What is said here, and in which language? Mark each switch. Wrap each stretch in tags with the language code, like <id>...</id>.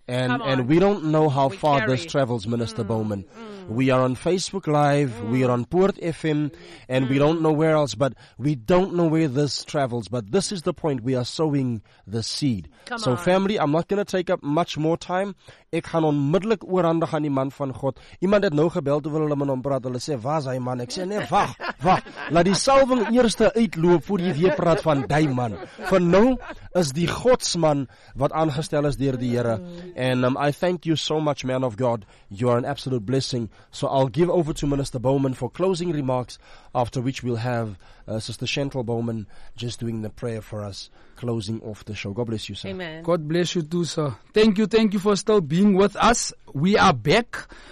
<en>And we don't know how we far carry. This travels, Minister Bowman. We are on Facebook Live. We are on Poort FM. And we don't know where else. But we don't know where this travels. But this is the point. We are sowing the seed. Come on. Family, I'm not going to take up much more time.</en> <af>Ek gaan onmiddellik oorhandig aan die man van God. Iemand het nou gebeld oor hulle met hom praat. Hulle sê, waar is hy man? Ek sê, nee, wacht. Laat die salving eerste uitloop voor die weer praat van die man. Van nou is die godsman wat aangestel is deur die Here.</af> <en>And I thank you so much, man of God. You are an absolute blessing. So I'll give over to Minister Bowman for closing remarks, after which we'll have Sister Chantal Bowman just doing the prayer for us, closing off the show. God bless you, sir. Amen. God bless you too, sir. Thank you for still being with us. We are back.</en>